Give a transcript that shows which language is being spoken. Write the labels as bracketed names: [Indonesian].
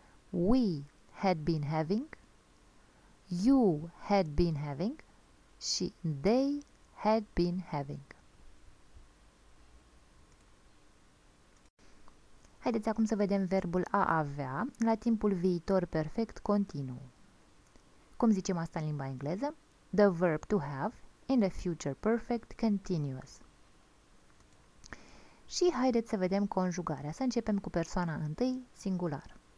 [English] We had been having. You had been having. She, they had been having. [Romanian] Haideți acum să vedem verbul a avea la timpul viitor perfect continuu. Cum zicem asta în limba engleză? [English] The verb to have in the future perfect continuous. [Romanian] Și haideți să vedem conjugarea. Să începem cu persoana întâi, singular.